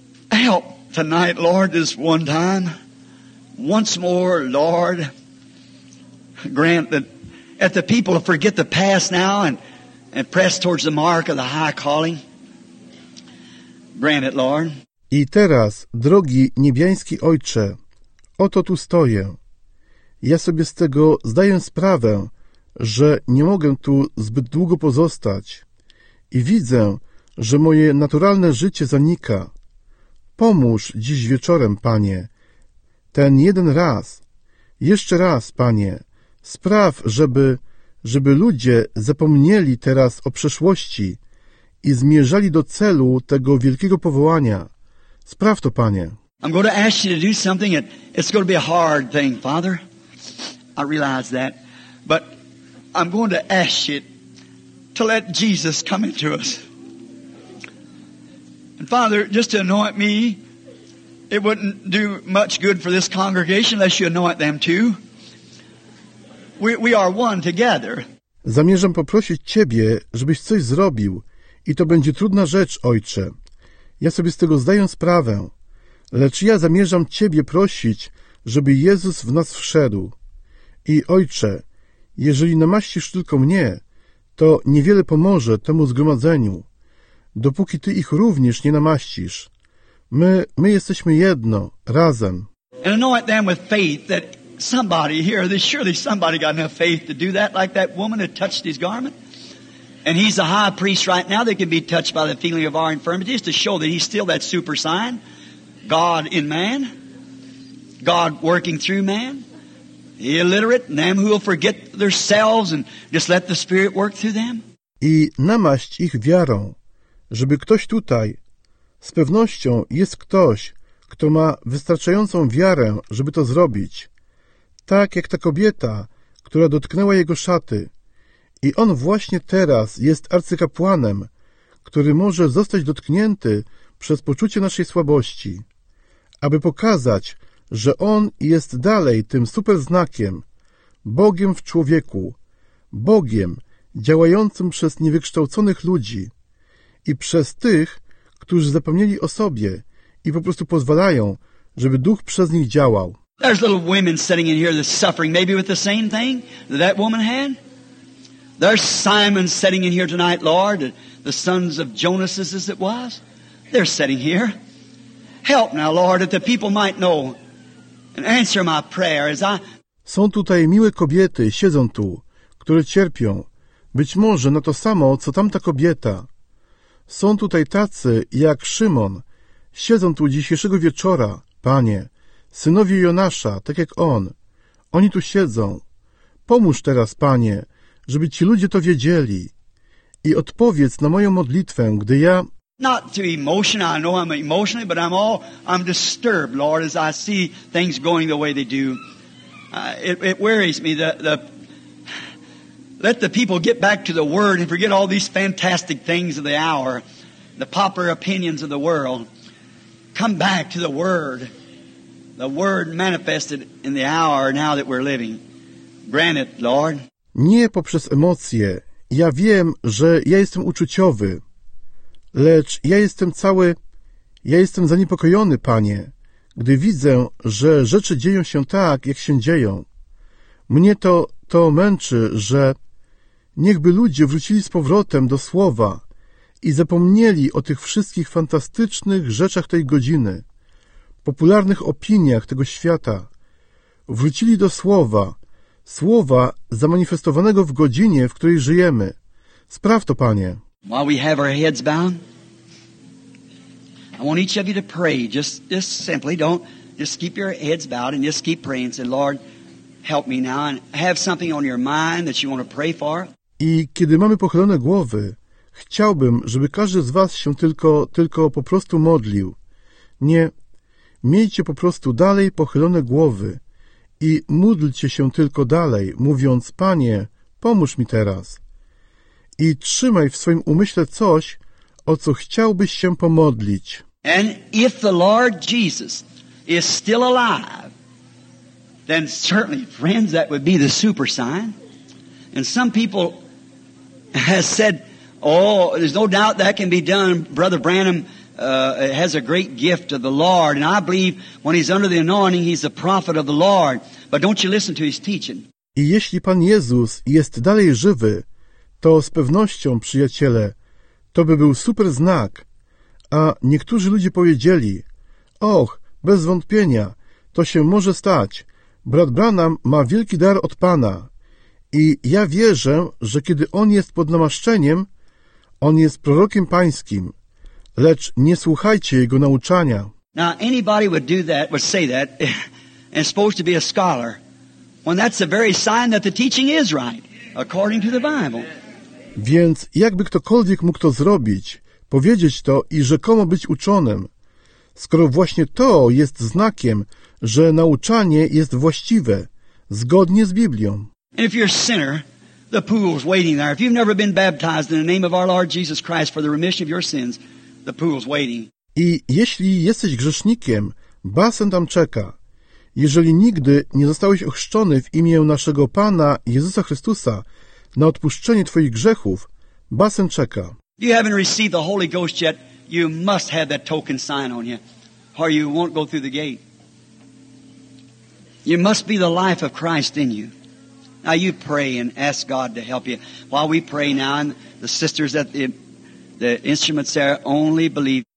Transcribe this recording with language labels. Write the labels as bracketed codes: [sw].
[en] Help tonight, Lord, this one time. Once more, Lord, grant that at the people forget the past now and press towards the mark of the high calling. Grant it, Lord. [pl] I teraz, drogi niebiański Ojcze, oto tu stoję. Ja sobie z tego zdaję sprawę, że nie mogę tu zbyt długo pozostać i widzę, że moje naturalne życie zanika. Pomóż dziś wieczorem, Panie, ten jeden raz. Jeszcze raz, Panie, spraw, żeby ludzie zapomnieli teraz o przeszłości i zmierzali do celu tego wielkiego powołania. Spraw to, Panie. [en] I'm going to ask you to do something, and it's going to be a hard thing, Father. I realize that. But I'm going to ask you to let Jesus come into us. And Father, just to anoint me, it wouldn't do much good for this congregation unless you anoint them too. We are one together. [pl] Zamierzam poprosić Ciebie, żebyś coś zrobił. I to będzie trudna rzecz, Ojcze. Ja sobie z tego zdaję sprawę. Lecz ja zamierzam Ciebie prosić, żeby Jezus w nas wszedł. I Ojcze, jeżeli namaścisz tylko mnie, to niewiele pomoże temu zgromadzeniu, dopóki Ty ich również nie namaścisz. My jesteśmy jedno, razem. [en] And anoint them with faith that somebody here, there's surely somebody got enough faith to do that, like that woman that touched his garment. And he's a high priest right now that can be touched by the feeling of our infirmities to show that he's still that super sign. God in man, God working through man, the illiterate, and them who will forget themselves and just let the Spirit work through them. [pl] I namaść ich wiarą, żeby ktoś tutaj, z pewnością jest ktoś, kto ma wystarczającą wiarę, żeby to zrobić, tak jak ta kobieta, która dotknęła jego szaty. I on właśnie teraz jest arcykapłanem, który może zostać dotknięty przez poczucie naszej słabości, aby pokazać, że on jest dalej tym superznakiem, Bogiem w człowieku, Bogiem działającym przez niewykształconych ludzi i przez tych, którzy zapomnieli o sobie i po prostu pozwalają, żeby Duch przez nich działał. [en] There's little women sitting in here that's suffering, maybe with the same thing that that woman had. There's Simon sitting in here tonight, Lord, the sons of Jonas's as it was. They're sitting here. Help now, Lord, that the people might know and answer my prayer as I... [pl] Są tutaj miłe kobiety, siedzą tu, które cierpią. Być może na to samo, co tamta kobieta. Są tutaj tacy, jak Szymon, siedzą tu dzisiejszego wieczora, Panie, synowie Jonasza, tak jak on. Oni tu siedzą. Pomóż teraz, Panie, żeby ci ludzie to wiedzieli. I odpowiedz na moją modlitwę, gdy ja... [en] Not to emotion, I know I'm emotionally, but I'm disturbed, Lord, as I see things going the way they do. It worries me that the... Let the people get back to the Word and forget all these fantastic things of the hour, the popular opinions of the world. Come back to the Word manifested in the hour now that we're living. Grant it, Lord. [pl] Nie poprzez emocje. Ja wiem, że ja jestem uczuciowy. Lecz ja jestem cały, ja jestem zaniepokojony, Panie, gdy widzę, że rzeczy dzieją się tak, jak się dzieją. Mnie to męczy, że niechby ludzie wrócili z powrotem do Słowa i zapomnieli o tych wszystkich fantastycznych rzeczach tej godziny, popularnych opiniach tego świata. Wrócili do Słowa, Słowa zamanifestowanego w godzinie, w której żyjemy. Spraw to, Panie. [en] While we have our heads bound, I want each of you to pray. Just simply don't, just keep your heads bowed and just keep praying. Say, Lord, help me now. And have something on your mind that you want to pray for. [pl] I kiedy mamy pochylone głowy, chciałbym, żeby każdy z was się tylko po prostu modlił. Nie, miejcie po prostu dalej pochylone głowy i módlcie się tylko dalej, mówiąc, Panie, pomóż mi teraz. I trzymaj w swoim umyśle coś, o co chciałbyś się pomodlić. [en] And if the Lord Jesus is still alive, then certainly, friends, that would be the super sign. And some people has said, oh, there's no doubt that can be done. Brother Branham has a great gift of the Lord. And I believe when he's under the anointing, he's the prophet of the Lord. But don't you listen to his teaching. [pl] I jeśli Pan Jezus jest dalej żywy, to z pewnością, przyjaciele, to by był super znak. A niektórzy ludzie powiedzieli, och, bez wątpienia, to się może stać. Brat Branham ma wielki dar od Pana. I ja wierzę, że kiedy on jest pod namaszczeniem, on jest prorokiem pańskim. Lecz nie słuchajcie jego nauczania. [en] Now anybody would do that, would say that, and supposed to be a scholar, when that's the very sign that the teaching is right, according to the Bible. [pl] Więc jakby ktokolwiek mógł to zrobić, powiedzieć to i rzekomo być uczonym, skoro właśnie to jest znakiem, że nauczanie jest właściwe, zgodnie z Biblią. [en] And if you're a sinner, the pool's waiting there. If you've never been baptized in the name of our Lord Jesus Christ for the remission of your sins, the pool's waiting. [pl] I jeśli jesteś grzesznikiem, basen tam czeka. Jeżeli nigdy nie zostałeś ochrzczony w imię naszego Pana Jezusa Chrystusa na odpuszczenie twoich grzechów, basen czeka. [en] If you haven't received the Holy Ghost yet, you must have that token sign on you, or you won't go through the gate. You must be the life of Christ in you. Now you pray and ask God to help you. While we pray now, and the sisters at the instruments there only believe.